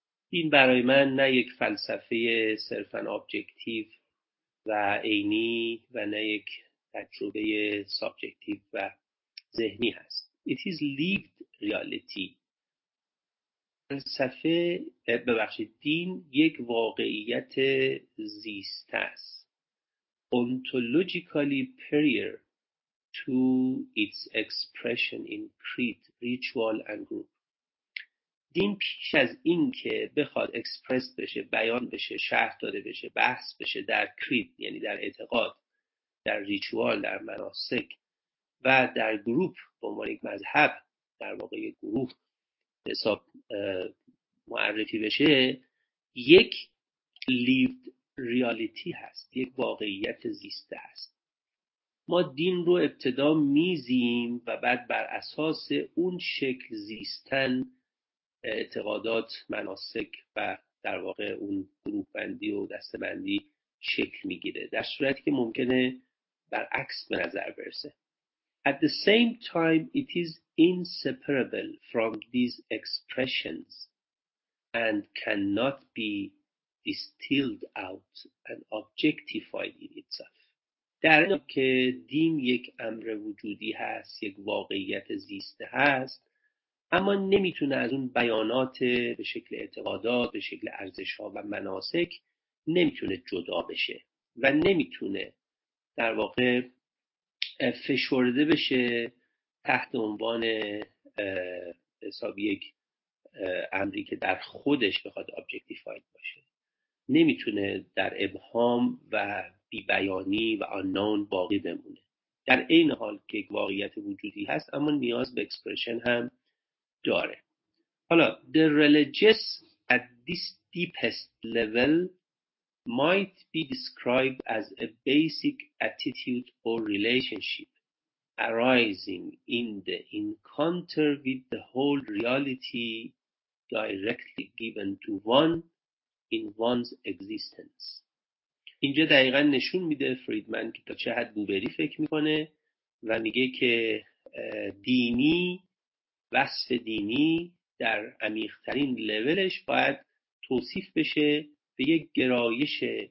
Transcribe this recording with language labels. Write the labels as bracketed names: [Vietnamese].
[Persian] دین برای من نه یک فلسفه صرفا objective و عینی و نه یک تجربه subjective و ذهنی هست. [English] It is lived reality. [Persian] فلسفه، ببخشید، دین یک واقعیت زیسته است. [English] Ontologically prior to its expression in creed, ritual and group. [Persian] دین پیش از این که بخواد اکسپرس بشه، بیان بشه، شرح داده بشه، بحث بشه در creed یعنی در اعتقاد، در ریچوال، در مناسک و در گروپ به عنوان یک مذهب در واقع یک گروه حساب معرفی بشه، یک [English] lived reality [Persian] هست، یک واقعیت زیسته هست. ما دین رو ابتدا میزیم و بعد بر اساس اون شکل زیستن اعتقادات، مناسک و در واقع اون گروه بندی و دسته بندی شکل میگیره، در صورتی که ممکنه برعکس به نظر برسه. [English] At the same time, it is inseparable from these expressions and cannot be distilled out and objectified in itself. [Persian] در این که دین یک امر وجودی هست، یک واقعیت زیسته هست، اما نمیتونه از اون بیانات به شکل اعتقادات، به شکل ارزش‌ها و مناسک نمیتونه جدا بشه و نمیتونه در واقع فشرده بشه تحت عنوان حساب یک امری که در خودش بخواد ابجکتیفاید باشه، نمیتونه در ابهام و بی بیانی و آنون باقی بمونه، در این حال که یک واقعیت وجودی هست اما نیاز به اکسپرشن هم داره. [English] حالا the religious at this deepest level might be described as a basic attitude or relationship arising in the encounter with the whole reality directly given to one in one's existence. [Persian] اینجا دقیقا نشون میده فریدمن که تا چه حد بوبری فکر میکنه و میگه که دینی، وصف دینی در عمیق‌ترین لولش باید توصیف بشه به یک گرایش